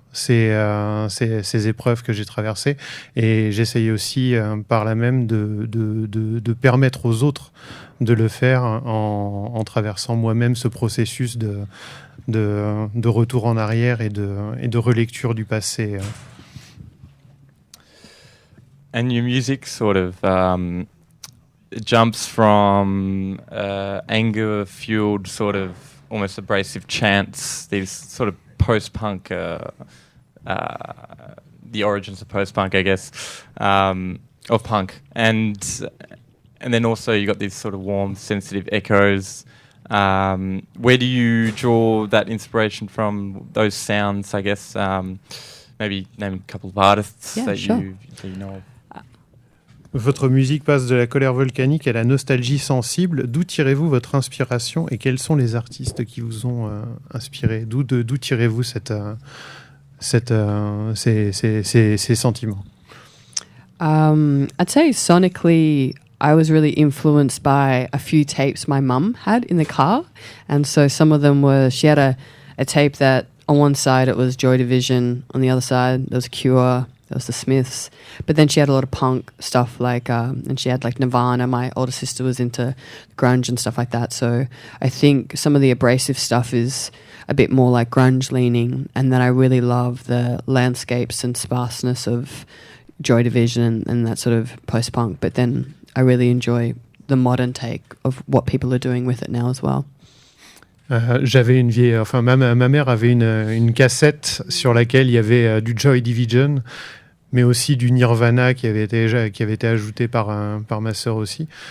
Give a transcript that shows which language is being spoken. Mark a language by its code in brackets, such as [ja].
[fr] Ces épreuves que j'ai traversées, et j'essaye aussi par là même de permettre aux autres de le faire en traversant moi-même ce processus de retour en arrière et de relecture du passé. [en] And your music sort of jumps from anger-fueled sort of almost abrasive chants, these sort of post-punk the origins of post-punk, I guess, of punk, and then also you got these sort of warm, sensitive echoes. Where do you draw that inspiration from? Those sounds, I guess. Maybe name a couple of artists that you know. [fr] Votre musique passe de la colère volcanique à la nostalgie sensible. D'où tirez-vous votre inspiration, et quels sont les artistes qui vous ont inspiré? D'où tirez-vous ces sentiments? [en] I'd say sonically, I was really influenced by a few tapes my mum had in the car. And so some of them were, she had a tape that on one side it was Joy Division, on the other side there was Cure, there was the Smiths. But then she had a lot of punk stuff like, and she had like Nirvana. My older sister was into grunge and stuff like that. So I think some of the abrasive stuff is a bit more like grunge leaning. And then I really love the landscapes and sparseness of Joy Division and that sort of post-punk. But then I really enjoy the modern take of what people are doing with it now as well. [fr] J'avais une vieille, enfin ma mère avait une cassette sur laquelle il y avait du Joy Division, mais aussi du Nirvana qui avait été ajouté par, par ma sœur aussi.